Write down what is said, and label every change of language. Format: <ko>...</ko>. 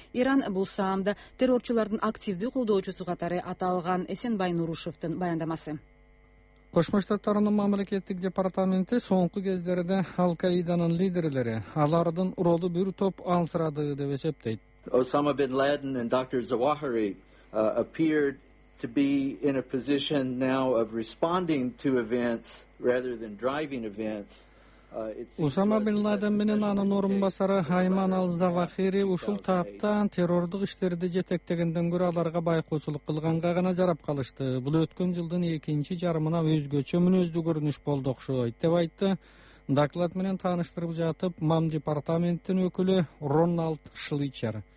<ky>Иран бул саамда террорчулардын активдүү колдоочусу катары аталган. Эсенбай Нурушевдин баяндамасы. Кошмо Штаттарынын мамлекеттик департаменти соңку кездерде Ал Каиданын лидерлери алардын ролу бир топ ансырады деп эсептейт.</ky> <en>Osama bin Laden and Dr. Zawahiri appeared to be in a position now of responding to events rather than driving events.</en> <ky>Osama bin Laden менен анын орун басары Айман ал-Завахири ушул тапта террордук иштерди жетектегенден көрө аларга байкоочулук кылганга гана жарап калышты. Бул өткөн жылдын 2-жарымына өзгөчө мүнөздүү көрүнүш болду окшойт деп айтты. Доклад менен тааныштырып жатып, мам департаменттин өкүлү Роналд Шлычер.</ky>